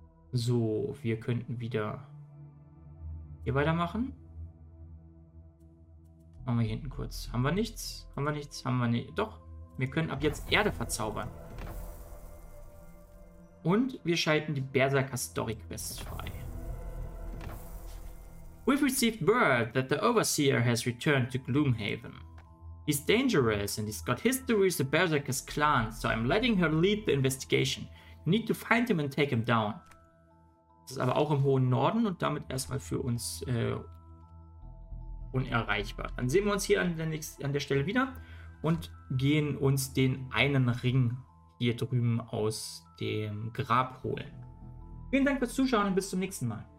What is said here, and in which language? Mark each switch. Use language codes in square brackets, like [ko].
[de] So, wir könnten wieder hier weitermachen. Machen wir hier hinten kurz. Haben wir nichts? Haben wir nichts? Haben wir nicht? Doch, wir können ab jetzt Erde verzaubern. Und wir schalten die Berserker Story Quest frei. [en] We've received word that the Overseer has returned to Gloomhaven. He's dangerous and he's got history with the Berserker's clan, so I'm letting her lead the investigation. You need to find him and take him down. [de] Das ist aber auch im hohen Norden und damit erstmal für uns unerreichbar. Dann sehen wir uns hier an der Stelle wieder und gehen uns den einen Ring hier drüben aus dem Grab holen. Vielen Dank fürs Zuschauen und bis zum nächsten Mal.